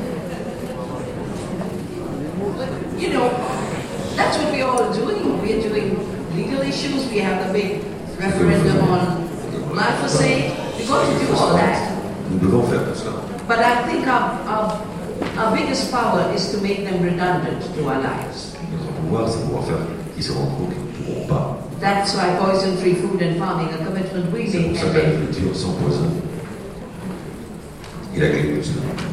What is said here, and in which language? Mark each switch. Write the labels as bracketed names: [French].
[English] You know, that's what we all are doing. We are doing legal issues. We have the big referendum on. Glyphosate. We got to do all that. [French] Nous devons faire tout cela. [English] But I think our biggest power is to make them redundant to our lives. [French] Notre pouvoir, c'est pouvoir faire qu'ils se rendent compte qu'ils ne pourront pas. [English] That's why poison-free food and farming, a commitment we made. [French] C'est pour ça que l'agriculture sans poison et l'agriculture.